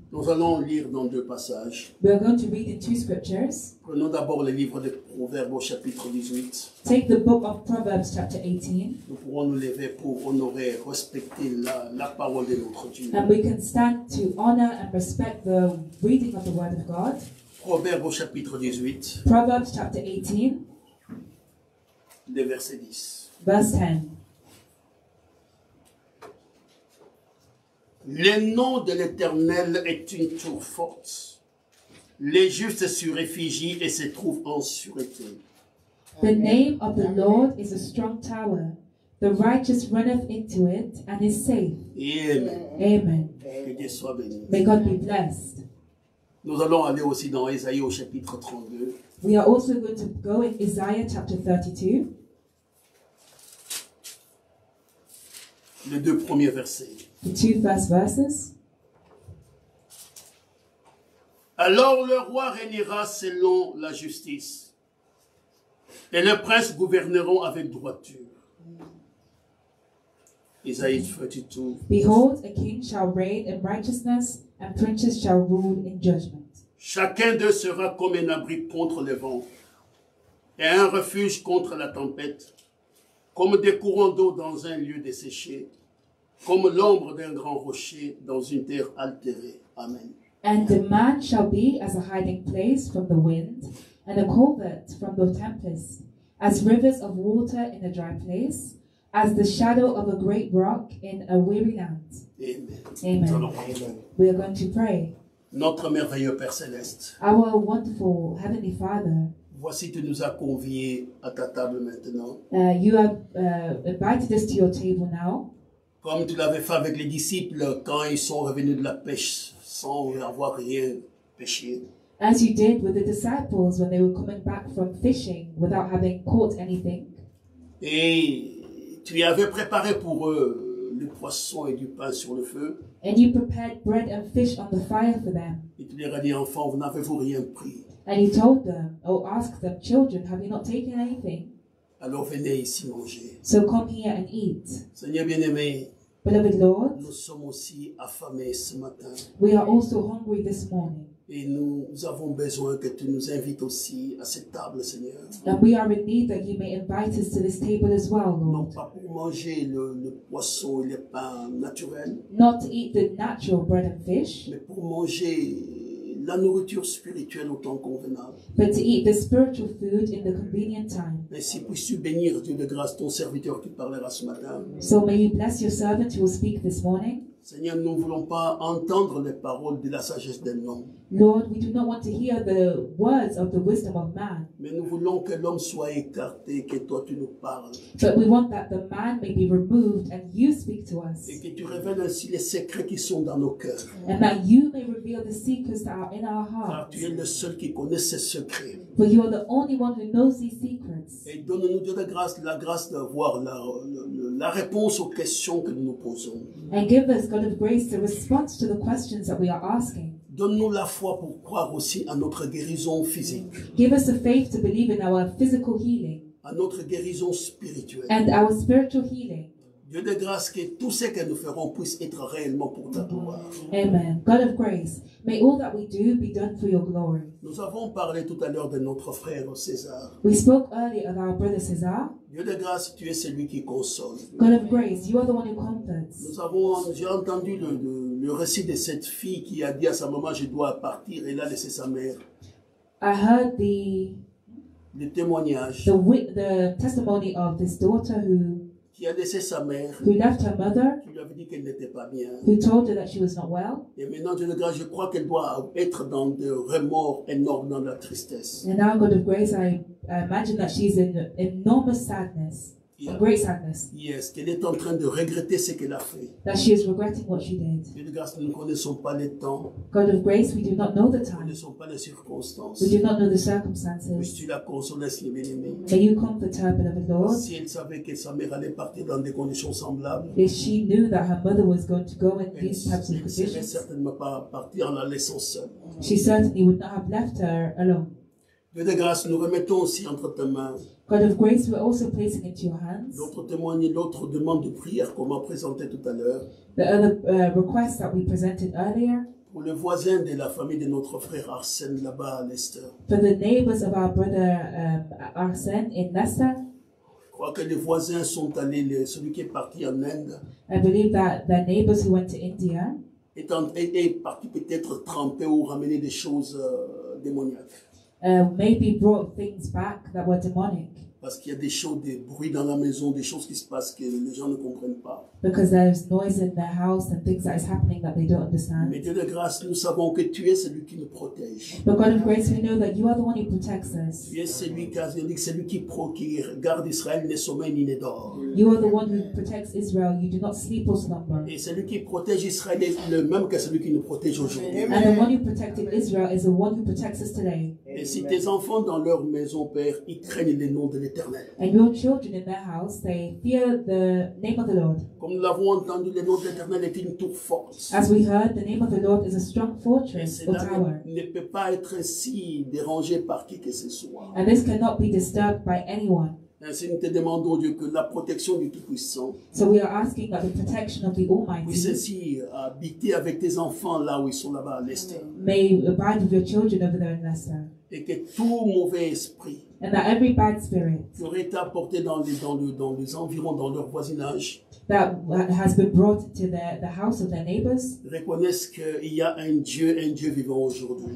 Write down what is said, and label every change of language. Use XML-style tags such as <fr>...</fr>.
<fr>Nous allons lire dans deux passages.</fr> <en>We are going to read in two scriptures.</en> <fr>Prenons d'abord le livre de Proverbes au chapitre 18.</fr> <en>Take the book of Proverbs chapter 18.</en> <fr>Nous pourrons nous lever pour honorer, respecter la parole de notre Dieu.</fr> <en>And we can stand to honor and respect the reading of the word of God.</en> <fr>Proverbes au chapitre 18.</fr> <en>Proverbs chapter 18.</en> <fr>Le verset 10.</fr> <en>Verse 10.</en> <fr>Le nom de l'Éternel est une tour forte. Les justes se réfugient et se trouvent en sûreté.</fr> <en>The name of the Lord is a strong tower. The righteous runneth into it and is safe. Amen. Amen.</en> <fr>Que Dieu soit béni.</fr> <en>May God be blessed.</en> <fr>Nous allons aller aussi dans Ésaïe au chapitre 32.</fr> <en>We are also going to go in Isaiah chapter 32.</en> <fr>Les deux premiers versets.</fr> <en>The two first verses.</en> <fr>Alors le roi régnera selon la justice, et les princes gouverneront avec droiture.</fr> <en>Isaiah 32. Behold, a king shall reign in righteousness, and princes shall rule in judgment.</en> <fr>Chacun d'eux sera comme un abri contre le vent, et un refuge contre la tempête, comme des courants d'eau dans un lieu desséché, comme l'ombre d'un grand rocher dans une terre altérée. Amen.</fr> <en>And the man shall be as a hiding place from the wind, and a covert from the tempest, as rivers of water in a dry place, as the shadow of a great rock in a weary land. Amen. Amen. We are going to pray.</en> <fr>Notre merveilleux Père Céleste,</fr> <en>our wonderful Heavenly Father,</en> <fr>voici, tu nous as conviés à ta table maintenant.</fr> <en>You have invited us to your table now.</en> <fr>Comme tu l'avais fait avec les disciples quand ils sont revenus de la pêche sans avoir rien pêché.</fr> <en>As you did with the disciples when they were coming back from fishing without having caught anything.</en> <fr>Et tu avais préparé pour eux le poisson et du pain sur le feu.</fr> <en>And you prepared bread and fish on the fire for them.</en> <fr>Et tu leur as dit, enfants, vous n'avez-vous rien pris?</fr> <en>And you told them, or asked them, children, have you not taken anything?</en> <fr>Alors venez ici manger.</fr> <en>So come here and eat.</en> <fr>Seigneur bien-aimé,</fr> <en>beloved Lord,</en> <fr>nous sommes aussi affamés ce matin.</fr> <en>We are also hungry this morning.</en> <fr>Et nous avons besoin que tu nous invites aussi à cette table, Seigneur.</fr> <en>And we are in need that you may invite us to this table as well, Lord.</en> <fr>Non pas pour manger le poisson et le pain naturel.</fr> <en>Not to eat the natural bread and fish.</en> <fr>Mais pour manger la nourriture spirituelle au temps convenable.</fr> <en>But to eat the spiritual food in the convenient time.</en> <fr>Ainsi puisses-tu bénir, Dieu de grâce, ton serviteur qui parlera ce matin.</fr> <en>So may you bless your servant who will speak this morning.</en> <fr>Seigneur, nous ne voulons pas entendre les paroles de la sagesse d'un homme.</fr> <en>Lord, we do not want to hear the words of the wisdom of man.</en> <fr>Mais nous voulons que l'homme soit écarté, que toi tu nous parles.</fr> <en>But we want that the man may be removed and you speak to us.</en> <fr>Et que tu révèles ainsi les secrets qui sont dans nos cœurs.</fr> <en>And that you may reveal the secrets that are in our hearts.</en> <fr>Car tu es le seul qui connaît ces secrets.</fr> <en>For you are the only one who knows these secrets.</en> <fr>Et donne-nous, Dieu de grâce, la grâce d'avoir la réponse aux questions que nous nous posons.</fr> <en>And give us, God of grace, the response to the questions that we are asking.</en> <fr>Donne-nous la foi pour croire aussi à notre guérison physique.</fr> <en>Give us the faith to believe in our physical healing.</en> <fr>À notre guérison spirituelle.</fr> <en>And our spiritual healing.</en> <fr>Dieu de grâce, que tout ce que nous ferons puisse être réellement pour ta gloire. Amen.</fr> <en>God of grace, may all that we do be done for your glory.</en> <fr>Nous avons parlé tout à l'heure de notre frère César.</fr> <en>We spoke earlier of our brother César.</en> <fr>Dieu de grâce, tu es celui qui console.</fr> <en>God of grace, you are the one who comforts.</en> <fr>J'ai entendu le récit de cette fille qui a dit à sa maman, je dois partir, et elle a laissé sa mère.</fr> <en>I heard the...</en> <fr>Le témoignage.</fr> <en>The testimony of this daughter who...</en> <fr>Qui a laissé sa mère,</fr> <en>who left her mother,</en> <fr>qui lui avait dit qu'elle n'était pas bien,</fr> <en>who told her that she was not well.</en> <fr>Et maintenant, Dieu de grâce, je crois qu'elle doit être dans de remords énormes, dans la tristesse.</fr> <en>And now, God of grace, I imagine that she's in enormous sadness, yeah. Great sadness.</en> <fr>Yes, qu'elle est en train de regretter ce qu'elle a fait.</fr> <en>That she is regretting what she did.</en> <fr>Dieu de grâce, nous ne connaissons pas les temps.</fr> <en>God of grace, we do not know the time.</en> <fr>Nous ne connaissons pas les circonstances.</fr> <en>We do not know the circumstances.</en> <fr>Puisses-tu la consoler, si bien-aimée.</fr> <en>May you comfort her, beloved Lord.</en> <fr>Si elle savait que sa mère allait partir dans des conditions semblables.</fr> <en>If she knew that her mother was going to go in these types of conditions.</en> <fr>Elle ne serait certainement pas partie en la laissant seule.</fr> <en>She certainly would not have left her alone.</en> <fr>Dieu de grâce, nous remettons aussi entre tes mains.</fr> <en>God of grace, we're also placing into your hands.</en> <fr>L'autre témoigne, l'autre demande de prière qu'on m'a présenté tout à l'heure.</fr> <en>The other request that we presented earlier.</en> <fr>Pour le voisin de la famille de notre frère Arsène là-bas à Leicester.</fr> <en>For the neighbors of our brother Arsène in Leicester.</en> <fr>Je crois que les voisins sont allés, celui qui est parti en Inde.</fr> <en>I believe that the neighbors who went to India.</en> <fr>Est parti peut-être tremper ou ramener des choses démoniaques.</fr> <en>maybe brought things back that were demonic.</en> <fr>Parce qu'il y a des choses, des bruits dans la maison, des choses qui se passent que les gens ne comprennent pas.</fr> <en>Because there's noise in their house and things that is happening that they don't understand.</en> <fr>Mais Dieu de grâce, nous savons que tu es celui qui nous protège.</fr> <en>But God of grace, we know that you are the one who protects us.</en> <fr>Tu es celui qui, dit, celui qui garde Israël ne sommeille ni ne dort.</fr> <en>You are the one who protects Israel. You do not sleep or slumber.</en> <fr>Et celui qui protège Israël est le même que celui qui nous protège aujourd'hui.</fr> <en>And the one who protected Israel is the one who protects us today.</en> <fr>Et si tes enfants dans leur maison, Père, ils craignent le nom de l'Éternel.</fr> <en>And your children in their house, they fear the name of the Lord.</en> <fr>Comme nous l'avons entendu, le nom de l'Éternel est une tour forte.</fr> <en>As we heard, the name of the Lord is a strong fortress or tower.</en> <fr>Et cela ne peut pas être ainsi dérangé par qui que ce soit.</fr> <en>And this cannot be disturbed by anyone.</en> <fr>Ainsi, nous te demandons, Dieu, que la protection du Tout-Puissant puisse ainsi habiter avec tes enfants là où ils sont là-bas à l'Esther.</fr> <en>May abide with your children over there in Esther.</en> <fr>Et que tout mauvais esprit</fr> <en>and that every bad spirit</en> <fr>qui aurait été apporté dans les environs, dans leur voisinage,</fr> <en>that has been brought to the house of their neighbors,</en> <fr>reconnaissent qu'il y a un Dieu vivant aujourd'hui.</fr>